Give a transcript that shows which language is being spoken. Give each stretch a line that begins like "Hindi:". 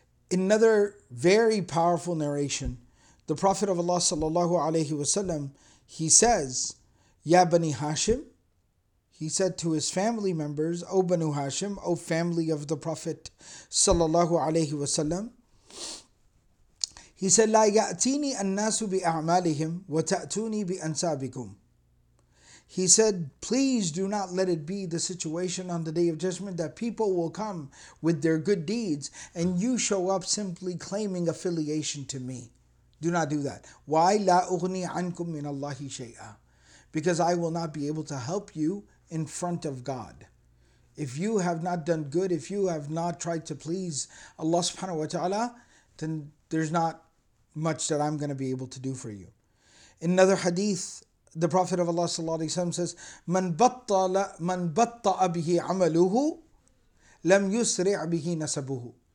English: Another very powerful narration, the Prophet of Allah ﷺ, he says, Ya Bani Hashim, he said to his family members, O Banu Hashim, O family of the Prophet sallallahu alayhi wasallam, he said,
Arabic: La ya'tini an-nasu bi-a'malihim wa ta'tuni bi-ansabikum.
English: He said, please do not let it be the situation on the Day of Judgment that people will come with their good deeds and you show up simply claiming affiliation to me. Do not do that. Why?
Arabic: لا أغني عنكم من الله شيئا.
English: Because I will not be able to help you in front of God. If you have not done good, if you have not tried to please Allah subhanahu wa ta'ala, then there's not much that I'm going to be able to do for you. In another hadith, the Prophet of Allah sallallahu alaihi wasallam says,
Arabic: من بطأ به عمله لم يسرع به نسبه.